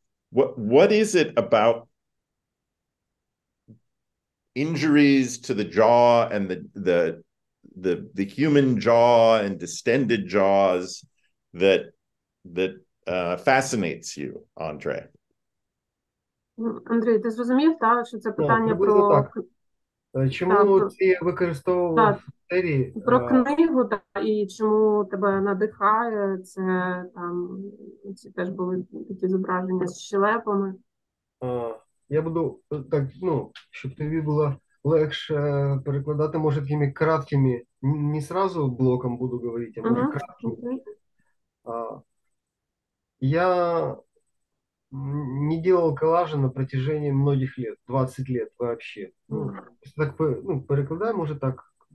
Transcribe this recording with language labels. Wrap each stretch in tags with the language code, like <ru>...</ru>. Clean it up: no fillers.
<en>What is it about injuries to the jaw and the human jaw and distended jaws that fascinates you, Andre?</en> <uk>Андрій, ти зрозумів, так, що це питання про... Так. Чому ти використовував матері? Про книгу, так, і чому тебе надихає, це там, ці теж були такі зображення з щелепами. Я буду так, ну, щоб тобі було легше перекладати, може, такими краткими, не сразу блоком буду говорити, а може, краткими. Я...</uk> <ru>не делал коллажа на протяжении многих лет, 20 лет вообще. Ну, так, ну, перекладаю, может так.</ru>